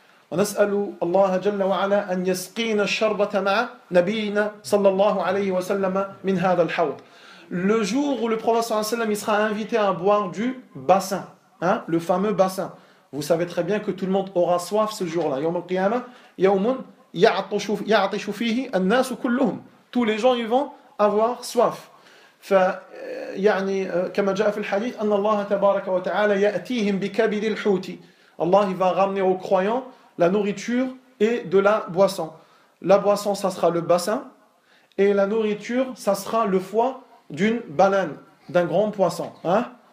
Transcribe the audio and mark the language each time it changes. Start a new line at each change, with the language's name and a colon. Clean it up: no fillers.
Arabic: ونسأل الله جل وعلا أن يسقينا الشربة مع نبينا صلى الله عليه وسلم من هذا الحوض.
French: Le jour où le prophète صلى الله عليه وسلم il sera invité à boire du bassin, hein, le fameux bassin. Vous savez très bien que tout le monde aura soif ce jour-là.
Arabic: يوم القيامة يوم يعطش فيه الناس كلهم.
French: Tous les gens ils vont avoir soif.
Arabic: فيعني كما جاء في الحديث أن الله تبارك وتعالى يأتيهم بكبد الحوت.
French: Allah va ramener aux croyants la nourriture et de la boisson. La boisson, ça sera le bassin. Et la nourriture, ça sera le foie d'une baleine, d'un grand poisson. Hein?